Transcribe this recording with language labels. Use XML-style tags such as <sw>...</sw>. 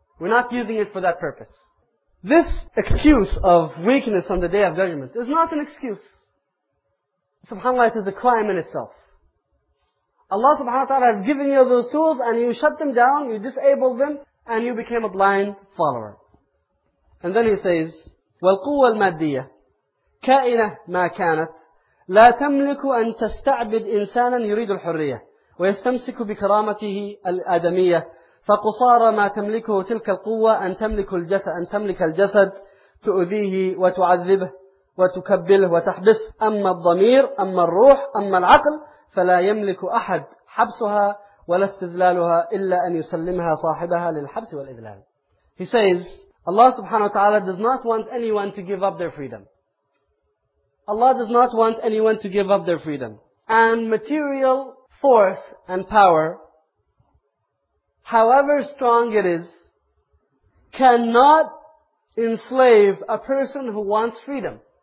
<en>We're not using it for that purpose. This excuse of weakness on the Day of Judgment is not an excuse. SubhanAllah, it is a crime in itself. Allah subhanahu wa ta'ala has given you those tools and you shut them down, you disabled them, and you became a blind follower. And then he says,</en> <ar>وَالْقُوَّ الْمَادِّيَّةِ كَائِنَةَ مَا كَانَتْ لَا تَمْلِكُ أَن تَسْتَعْبِدْ إِنسَانًا يُرِيدُ الْحُرِّيَّةِ ويستمسك بكرامته الآدمية فقصار ما تملكه تلك القوة أن تملك الجسد تؤذيه وتعذبه وتكبله وتحبسه أما الضمير أما الروح أما العقل فلا يملك أحد حبسها ولا استذلالها إلا أن يسلمها صاحبها للحبس والإذلال.</ar> <en>He says, Allah subhanahu wa ta'ala does not want anyone to give up their freedom. Allah does not want anyone to give up their freedom. And material force and power, however strong it is, cannot enslave a person who wants freedom.</en>